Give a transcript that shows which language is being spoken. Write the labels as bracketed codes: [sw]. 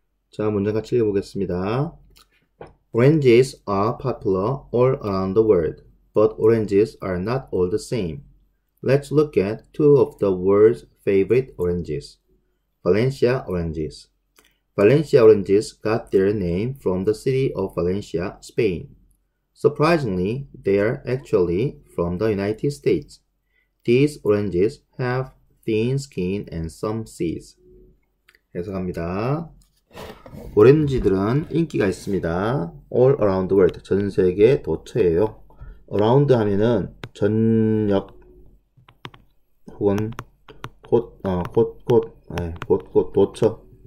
[ko] 자, 문장 같이 읽어보겠습니다. [en] Oranges are popular all around the world, but oranges are not all the same. Let's look at two of the world's favorite oranges. Valencia oranges. Valencia oranges got their name from the city of Valencia, Spain. Surprisingly, they are actually from the United States. These oranges have thin skin and some seeds. [ko] 해석합니다. 오렌지들은 인기가 있습니다. [en] All around the world. [ko] 전 세계 도처예요. Around 하면은 전역 혹은 곳곳 도처.